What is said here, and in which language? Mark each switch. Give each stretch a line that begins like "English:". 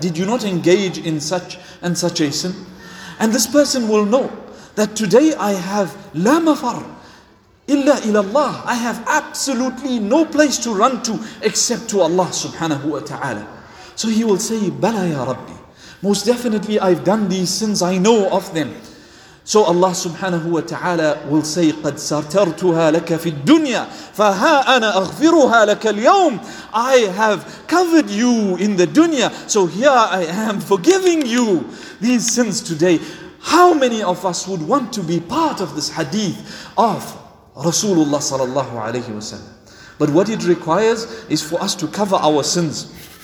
English: Did you not engage in such and such a sin? And this person will know that today I have
Arabic: لَا مَفَرْ illa ilallah.
English: I have absolutely no place to run to except to Allah subhanahu wa ta'ala. So he will say,
Arabic: Bala ya Rabbi.
English: Most definitely I've done these sins, I know of them. So Allah subhanahu wa ta'ala will say,
Arabic: قَدْ سَرْتَرْتُهَا لَكَ فِي الدُّنْيَا فَهَا أَنَا أَغْفِرُهَا لَكَ الْيَوْمِ.
English: I have covered you in the dunya, so here I am forgiving you these sins today. How many of us would want to be part of this hadith of Rasulullah sallallahu alayhi wa sallam? But what it requires is for us to cover our sins.